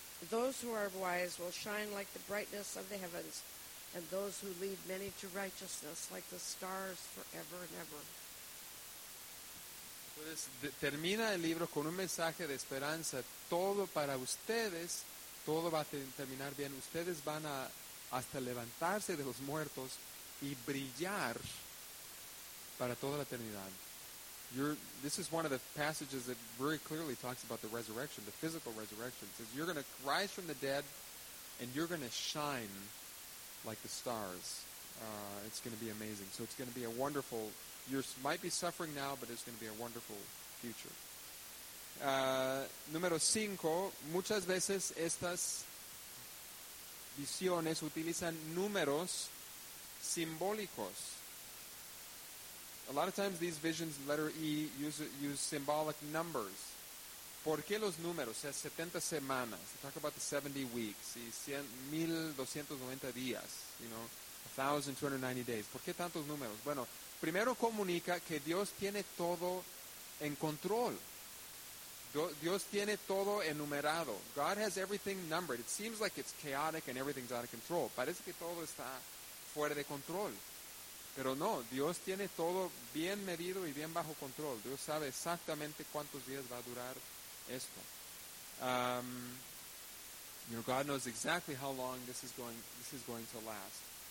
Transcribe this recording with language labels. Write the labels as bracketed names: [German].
[English] Those who are wise will shine like the brightness of the heavens, and those who lead many to righteousness like the stars forever and ever. [Spanish] Pues termina el libro con un mensaje de esperanza. Todo para ustedes, todo va a terminar bien. Ustedes van a hasta levantarse de los muertos y brillar para toda la eternidad. [English] This is one of the passages that very clearly talks about the resurrection, the physical resurrection. It says you're going to rise from the dead and you're going to shine like the stars. It's going to be amazing. So it's going to be a wonderful, you might be suffering now, but it's going to be a wonderful future. [Spanish] Número cinco, muchas veces estas visiones utilizan números simbólicos. [English] A lot of times these visions, letter E, use symbolic numbers. [Spanish] ¿Por qué los números? O sea, 70 semanas. [English] They talk about the 70 weeks. [Spanish] Y 1,290 días. [English] You know, 1,290 days. [Spanish] ¿Por qué tantos números? Bueno, primero comunica que Dios tiene todo en control. Dios tiene todo enumerado. [English] God has everything numbered. It seems like it's chaotic and everything's out of control. [Spanish] Parece que todo está fuera de control. Pero no, Dios tiene todo bien medido y bien bajo control. Dios sabe exactamente cuántos días va a durar esto. [English] You know, God knows exactly how long this is going to last.